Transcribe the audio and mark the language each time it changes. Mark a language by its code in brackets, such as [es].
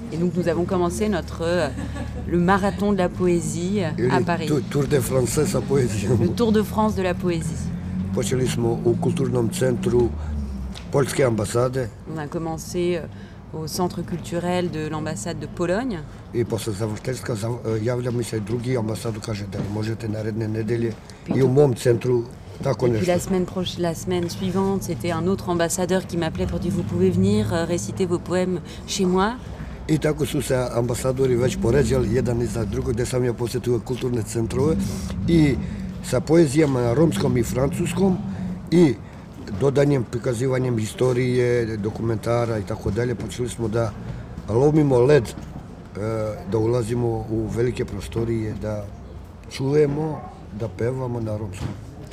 [fr] Et donc nous avons commencé le marathon de la poésie à Paris. Tour de France de la poésie. Le Tour de France de la poésie. [sr] Počeli smo u kulturnom centru polske ambasade. [fr] On a commencé au centre culturel de l'ambassade de Pologne. [sr] I posle završetka javlja mi se drugi ambasador, kaže da možete naredne nedelje i u mom centru tako nešto. [fr] Et puis la semaine suivante, c'était un autre ambassadeur qui m'appelait pour dire vous pouvez venir réciter vos poèmes chez moi. [sr] I tako su se ambasadori već poređali jedan iza drugog, gde sam ja posetio kulturne centrove i sa poezijama na romskom i francuskom i dodanjem, prikazivanjem historije, dokumentara i tako dalje, počeli smo da lomimo led, da ulazimo u velike prostorije, da čujemo, da pevamo na romskom.